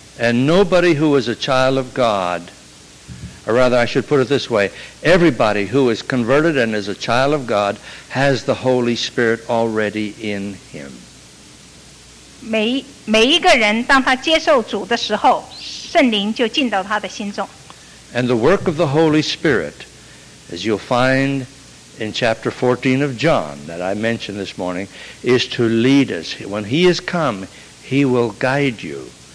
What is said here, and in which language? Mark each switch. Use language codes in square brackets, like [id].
[en] And nobody who is a child of God, or rather I should put it this way, everybody who is converted and is a child of God has the Holy Spirit already in him. [zh] 每一个人当他接受主的时候，圣灵就进到他的心中。 [en] And the work of the Holy Spirit, as you'll find in chapter 14 of John that I mentioned this morning, is to lead us. When he has come, he will guide you.